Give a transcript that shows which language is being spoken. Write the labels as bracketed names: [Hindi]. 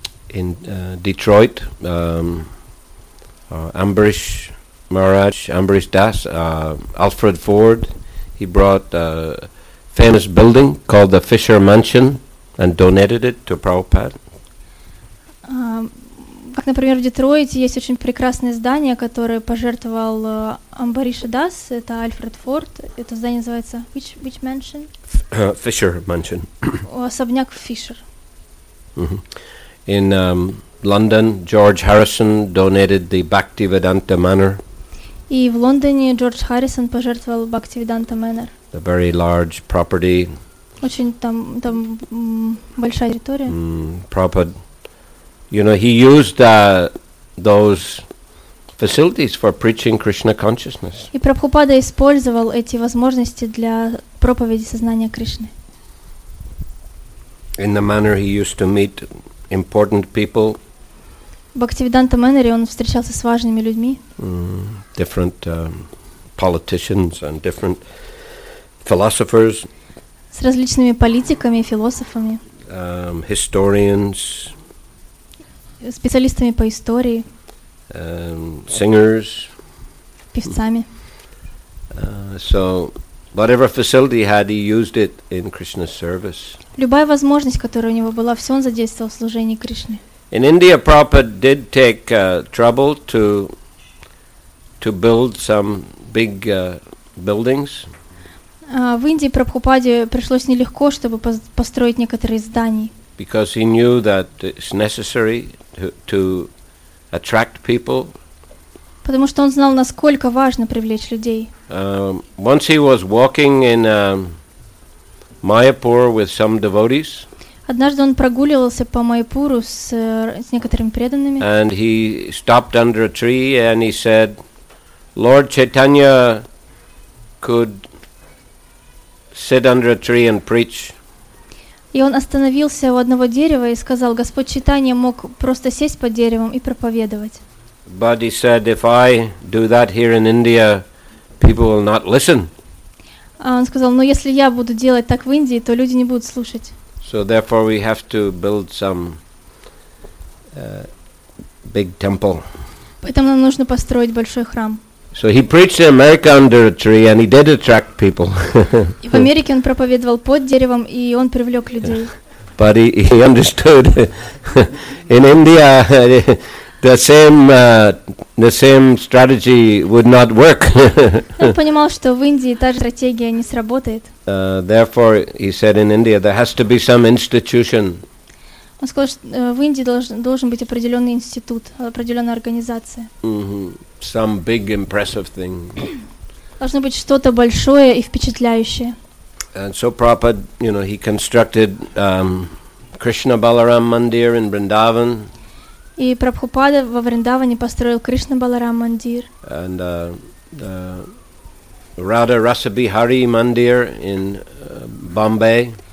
[English] In Detroit, Ambarish Maharaj, Ambarish Das, Alfred Ford, he brought a famous building called the Fisher Mansion and donated it to Prabhupada. [Russian] Как, например, в Детройте есть очень прекрасное здание, которое пожертвовал Амбариша Дас, это Альфред Форд. Это здание называется [English] which mansion? Fisher Mansion. [Russian] Особняк Фишер. [English] In London, George Harrison donated the Bhaktivedanta Manor. [Russian] И в Лондоне Джордж Харрисон пожертвовал Бхактивиданта Манор. [English] a very large property. [Russian] Очень там большая территория. [English] Prabhupada, you know, he used those facilities for preaching Krishna consciousness. [Russian] И Прабхупада использовал эти возможности для проповеди сознания Кришны. [English] In the manner he used to meet important people. [Russian] Бхактивиданта Мэннери он встречался с важными людьми. [English] Different politicians and different philosophers. [Russian] С различными политиками и философами. [English] Historians. [Russian] Специалистами по истории. [English] Singers. [Russian] Певцами. [English] So whatever facility he had, he used it in Krishna's service. [Russian] Любая возможность, которая у него была, все он задействовал в служении Кришне. [English] In India, Prabhupada did take trouble to build some big buildings. [Russian] В Индии Прабхупаде пришлось нелегко, чтобы построить некоторые здания. [English] Because he knew that it's necessary to attract people. [Russian] Потому что он знал, насколько важно привлечь людей. [English] Once he was walking in Майяпур with some devotees. [Russian] Однажды он прогуливался по Майяпуру с некоторыми преданными. [English] And he stopped under a tree and he said, Lord Chaitanya could sit under a tree and preach. [Russian] И он остановился у одного дерева и сказал, Господь Чайтанья мог просто сесть под деревом и проповедовать. [English] But he said, if I do that here in India, people will not listen. [Russian] Он сказал, но если я буду делать так в Индии, то люди не будут слушать. [English] So therefore we have to build some big temple. [Russian] Поэтому нам нужно построить большой храм. [English] So he preached in America under a tree and he did attract people. [Russian] И в Америке он проповедовал под деревом, и он привлёк людей. [English] But he understood in India the same strategy would not work. [Russian] Он понимал, что в Индии та же стратегия не сработает. [English] Therefore, he said, in India there has to be some institution. [Russian] Он сказал, что в Индии должен быть определенный институт, определенная организация. [English] Some big impressive thing. [Russian] Должно быть что-то большое и впечатляющее. [English] And so Prabhupada, you know, he constructed Krishna Balaram Mandir in Vrindavan. [Russian] И Прабхупада во Вриндаване построил Кришна Баларам Мандир. [English] And the Radha Rasabihari Mandir in Bombay.